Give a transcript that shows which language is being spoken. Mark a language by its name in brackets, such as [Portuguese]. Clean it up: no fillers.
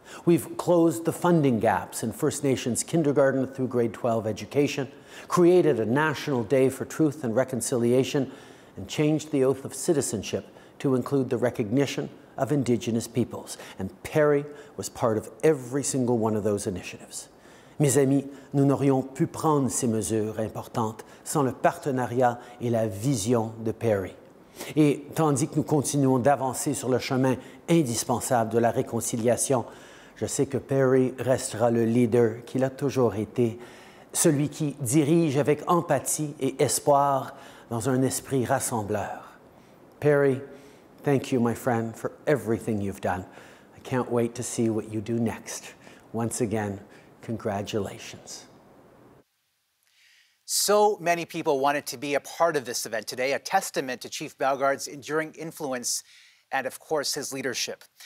[English] We've closed the funding gaps in First Nations kindergarten through grade 12 education, created a National Day for Truth and Reconciliation, and changed the oath of citizenship to include the recognition of Indigenous peoples. And Perry was part of every single one of those initiatives. [French] Mes amis, nous n'aurions pu prendre ces mesures importantes sans le partenariat et la vision de Perry. Et tandis que nous continuons d'avancer sur le chemin indispensable de la réconciliation, je sais que Perry restera le leader qu'il a toujours été, celui qui dirige avec empathie et espoir dans un esprit rassembleur. Perry, [English] Thank you, my friend, for everything you've done. I can't wait to see what you do next. Once again, congratulations. So many people wanted to be a part of this event today, a testament to Chief Bellegarde's enduring influence and, of course, his leadership.